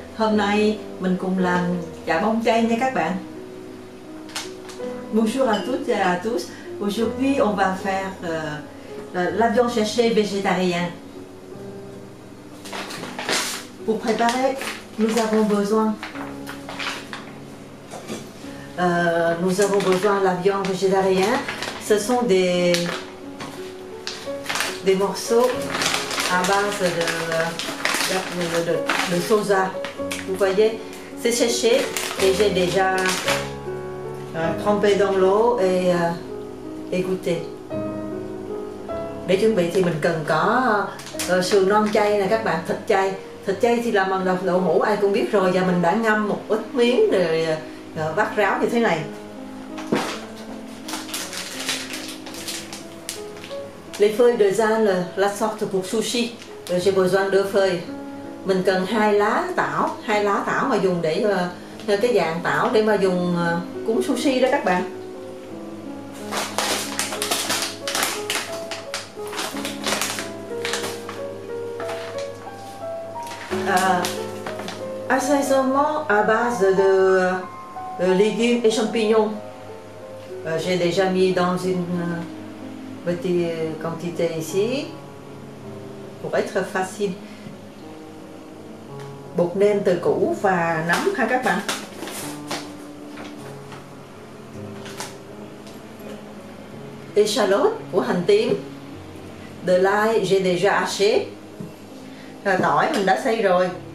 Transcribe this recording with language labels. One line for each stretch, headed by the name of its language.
Vietnamese: Hôm nay mình cùng làm chả bông chay nha các bạn.
French: Bonjour à toutes et à tous. Aujourd'hui, on va faire la viande séchée végétarienne. Pour préparer, nous avons besoin de la viande végétarienne. Ce sont des morceaux à base de soja. Vous voyez, c'est séché et j'ai déjà trempé dans l'eau et goûté.
Vietnamese: Để chuẩn bị thì mình cần có sườn non chay nè các bạn, thịt chay. Thịt chay thì làm bằng đậu hũ ai cũng biết rồi, và mình đã ngâm một ít miếng rồi vắt ráo như thế này.
French: Les feuilles de zan là la sorte pour sushi. J'ai besoin de feuilles.
Vietnamese: Mình cần hai lá tảo mà dùng để cái dạng tảo để mà dùng cuốn sushi đó các bạn.
French: Assaisonnement à base de légumes et champignons. J'ai déjà mis dans une petite quantité ici pour être facile.
Vietnamese: Bột nêm từ củ và nấm ha các bạn.
French: Échalote
Vietnamese: của hành tím.
French: De l'ail, j'ai déjà haché.
Vietnamese: Tỏi mình đã xay rồi.